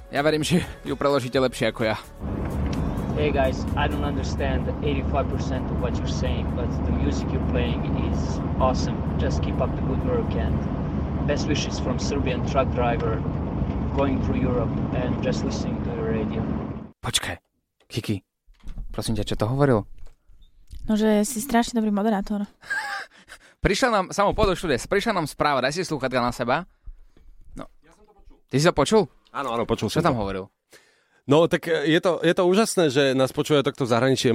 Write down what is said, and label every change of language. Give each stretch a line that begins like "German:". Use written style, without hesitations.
Slovak: Ja verím, že ju preložíte lepšie ako ja.
English: Hey guys, I don't understand 85% of what you're saying, but the music you're playing is awesome. Just keep up the good work and best wishes from Serbian truck driver going through Europe and just listening to your radio.
Slovak: Počkaj, Kiki, prosím ťa, čo to hovoril? No, že si strašne dobrý moderátor. Prišla nám, samo pôjdu študies, prišla nám správa, daj si slúchatka na seba. No. Ja som to počul. Ty si to počul? Áno, počul čo som tam Hovoril? No, tak je to úžasné, že nás počúva takto v zahraničí.